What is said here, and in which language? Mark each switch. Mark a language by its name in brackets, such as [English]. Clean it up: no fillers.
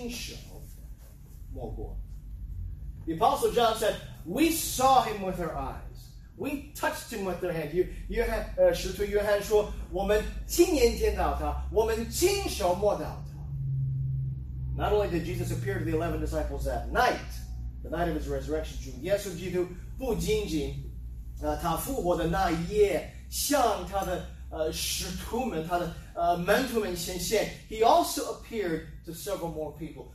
[Chinese] 约翰一书第一章第一节，论到从书院有的生命之道，就是我们所听见、所看见、亲眼看过、亲手摸过。 [English] The Apostle John said, we saw him with our eyes. We touched him with our hand. [Chinese] 使徒约翰说，我们亲眼见到他，我们亲手摸到他。 [English] Not only did Jesus appear to the 11 disciples that night, the night of his resurrection, [Chinese] 主耶稣基督不仅仅他复活的那一夜向他的使徒们、他的门徒们显现， [English] he also appeared to several more people.